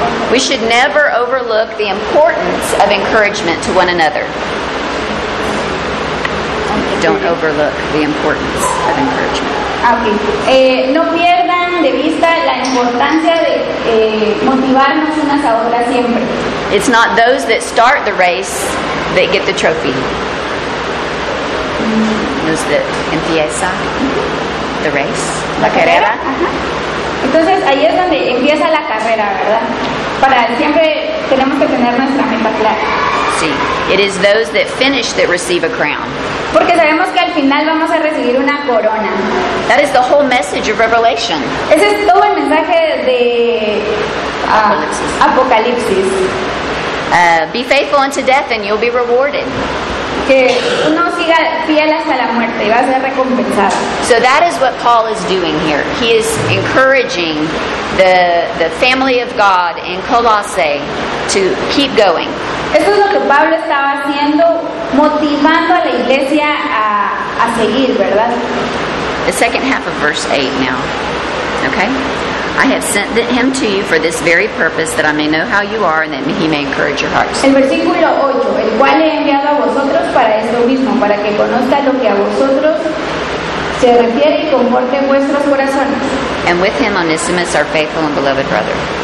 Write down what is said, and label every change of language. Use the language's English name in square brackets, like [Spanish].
[English] We should never overlook the importance of encouragement to one another. Don't overlook the importance of encouragement. Okay. [Spanish] No pierdan de vista la importancia de motivarnos unas a otras siempre. [English] It's not those that start the race that get the trophy. Those that [Spanish] empieza [English] the race. [Spanish] La carrera. Ajá. Entonces ahí es donde empieza la carrera, ¿verdad? Para siempre tenemos que tener nuestra meta clara. Sí. [English] It is those that finish that receive a crown. [Spanish] Porque sabemos que al final vamos a recibir una corona. [English] That is the whole message of Revelation. [Spanish] Ese es todo el mensaje de Apocalipsis. [English] Be faithful unto death and you'll be rewarded. [Spanish] Que uno siga fiel hasta la muerte y va a ser recompensado. [English] So that is what Paul is doing here. He is encouraging the family of God in Colossae to keep going. [Spanish] Esto es lo que Pablo estaba haciendo, motivando a la iglesia a seguir, ¿verdad? [English] The second half of verse 8 now. Okay? I have sent him to you for this very purpose, that I may know how you are and that he may encourage your hearts. [Spanish] El versículo 8, el cual he enviado a vosotros para esto mismo, para que conozca lo que a vosotros se refiere y comporte vuestros corazones. [English] And with him Onesimus, our faithful and beloved brother.